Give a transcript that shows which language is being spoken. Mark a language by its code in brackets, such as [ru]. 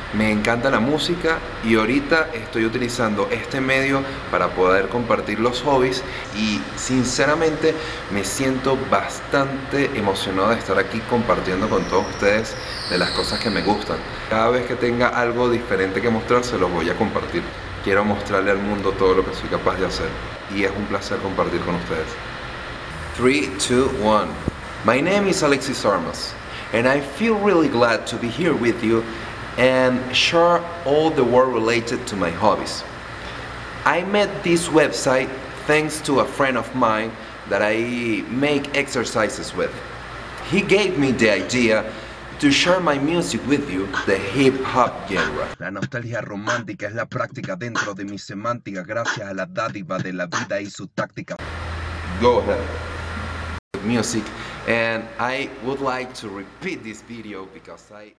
[es] Me encanta la música y ahorita estoy utilizando este medio para poder compartir los hobbies y sinceramente me siento bastante emocionado de estar aquí compartiendo con todos ustedes de las cosas que me gustan. Cada vez que tenga algo diferente que mostrar, se los voy a compartir. Quiero mostrarle al mundo todo lo que soy capaz de hacer y es un placer compartir con ustedes. 3, 2, 1. [en] My name is Alexis Armas and I feel really glad to be here with you and share all the world related to my hobbies. I met this website thanks to a friend of mine that I make exercises with. He gave me the idea to share my music with you, the hip-hop genre. [es] La nostalgia romántica es la práctica dentro de mi semántica gracias a la dádiva de la vida y su táctica. [en] Go ahead. Music, and I would like to repeat this video because I...